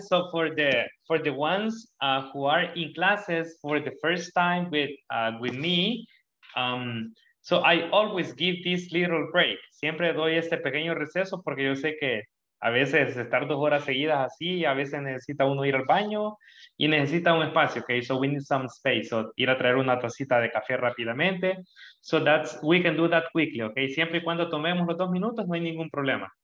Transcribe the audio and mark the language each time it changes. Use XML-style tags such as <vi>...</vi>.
<en>So for the ones who are in classes for the first time with me, so I always give this little break.</en> <es>Siempre doy este pequeño receso porque yo sé que a veces estar 2 horas seguidas así, a veces necesita uno ir al baño y necesita un espacio, okay?</es> <en>So we need some space.</en> <es>So ir a traer una tacita de café rápidamente.</es> <en>So that's, we can do that quickly, okay?</en> <es>Siempre y cuando tomemos los 2 minutos, no hay ningún problema.</es>